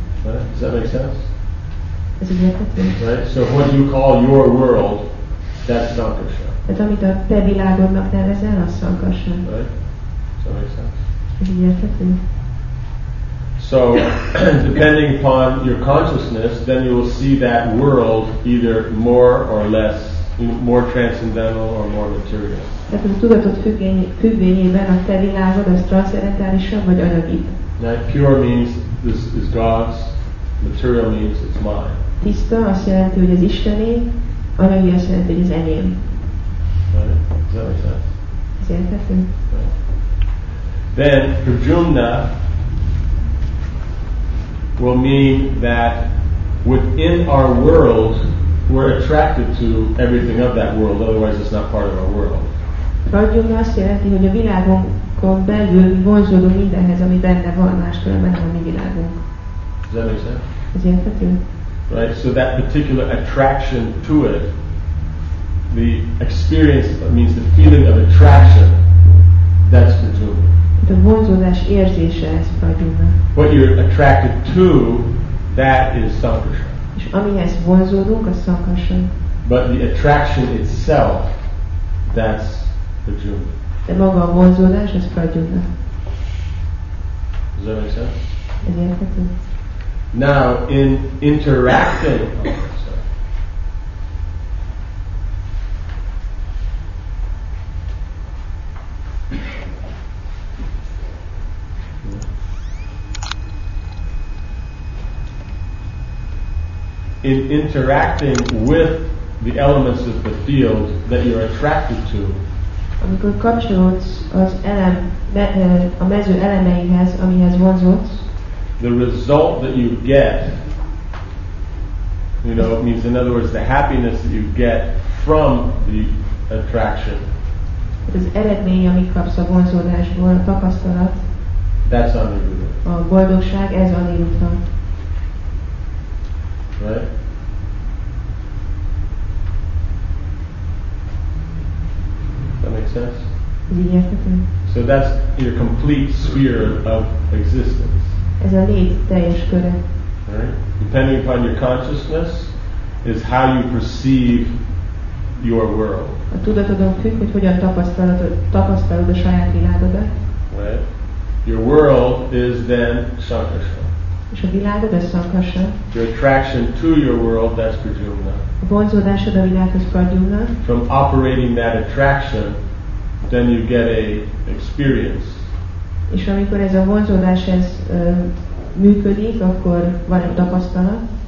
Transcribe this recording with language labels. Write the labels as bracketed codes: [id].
[en] Does that make sense? [hu] Ez egyetlen. [en] Right? So what you call your world, that's Sankarshan. [hu] Tehát amit a te világodnak nevezel, az Sankarshan. [en] Right? Does that make sense? So, depending upon your consciousness, then you will see that world either more or less, more transcendental or more material. [hu] Tehát a tudatod függvényében a te világod, az transzendentálisabb vagy anyagibb. [en] Right? Pure means this is God's. Material means it's mine. [hu] Tiszta azt jelenti, hogy az isteni, anyagi azt jelenti, hogy az enyém. [en] Right? Does that make sense? [hu] Ez érthető. [en] Then Prajumna will mean that within our world we're attracted to everything of that world, otherwise it's not part of our world. [hu] Prajumna azt jelenti, hogy a világunkon belül vonzódunk mindenhez, ami benne van, máskülönben a mi világunk. [en] Does that make sense? Right, so that particular attraction to it, the experience means the feeling of attraction, that's prajumna. The [hu] vonzódás érzése ez prajumna. [en] What you're attracted to, that is sankarshan. [hu] És amihez vonzódunk, az sankarshan. [en] But the attraction itself, that's prajumna. [hu] De maga a vonzódás, az prajumna. [en] Does that make sense? [hu] Ez érthető. [en] Now, in interacting, oh, in interacting with the elements of the field that you're attracted to. [hu] Amikor kapcsolódsz az elem, a mező elemeihez, amihez vonzódsz, [en] the result that you get, you know, it means in other words, the happiness that you get from the attraction. [hu] Az eredmény, amit kapsz a vonzódásból, a tapasztalat, [en] that's anirudha. [hu] A boldogság, ez anirudha. [en] Right? Does that make sense? So that's your complete sphere of existence. [hu] Ez a lét teljes köre. [en] Right? Depending upon your consciousness is how you perceive your world. [hu] A tudatodon függ, hogy hogyan tapasztalod a saját világodat. [en] Right? Your world is then sankarsa. [hu] És a világod a sankarsa. [en] Your attraction to your world, that's prajumna. [hu] A vonzódásod a világhoz prajumna. [en] From operating that attraction, then you get a experience. [hu] És amikor ez a vonzódás ez működik, akkor van egy tapasztalat.